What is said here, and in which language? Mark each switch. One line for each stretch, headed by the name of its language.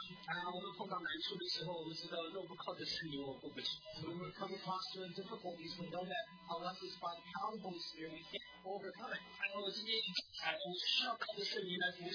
Chinese: 啊，我们碰到难处的时候，我们知道若不靠着圣灵，我过不去。
English: When we come across certain difficulties, we know that unless it's by the power of the Holy Spirit, we can't overcome it.
Chinese: 哎，我今天哎，我需要靠着圣灵来服侍。